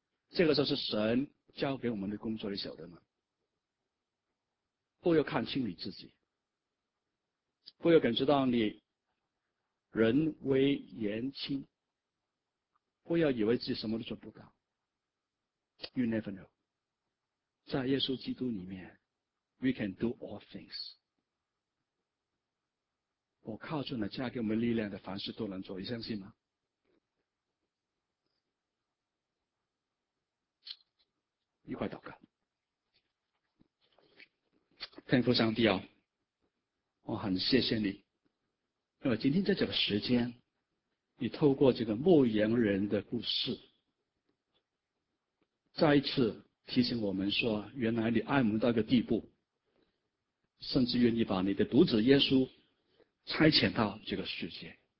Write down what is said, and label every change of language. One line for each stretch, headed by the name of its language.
Chinese: 这个就是神交给我们的工作，你晓得吗？不要看清你自己，不要感觉到你人微言轻，不要以为自己什么都做不到。
English: You never know，
Chinese: 在耶稣基督里面
English: We can do all things。
Chinese: 我靠住了加给我们力量的凡事都能做，你相信吗？一块祷告。天父上帝啊，我很谢谢你，因为今天在这个时间你透过这个牧羊人的故事再一次提醒我们说，原来你爱我们到一个地步，甚至愿意把你的独子耶稣差遣到这个世界。